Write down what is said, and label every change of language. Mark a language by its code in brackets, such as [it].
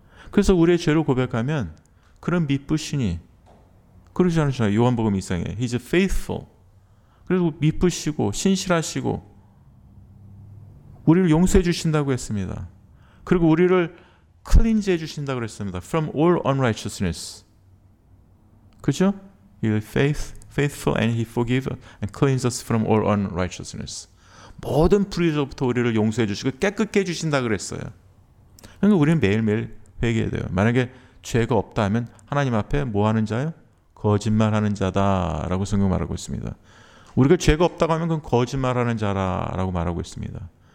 [ko] 그래서 우리의 죄를 고백하면 그런 미쁘시니, 그러지 않으시나요? 요한복음 2장에 [en] He's faithful. [ko] 그리고 미쁘시고 신실하시고 우리를 용서해 주신다고 했습니다. 그리고 우리를 클린즈해 주신다고 했습니다. [en] From all unrighteousness. [ko] 그죠? [en] He's faithful and he forgives and cleanses us from all unrighteousness. [ko] 모든 불의로부터 우리를 용서해 주시고 깨끗게 해 주신다고 그랬어요. 그러니까 우리는 매일매일 회개해야 돼요. 만약에 죄가 없다 하면 하나님 앞에 뭐 하는 자요? 거짓말하는 자다라고 성경 말하고 있습니다. 우리가 죄가 없다고 하면 그건 거짓말하는 자라고 말하고 있습니다.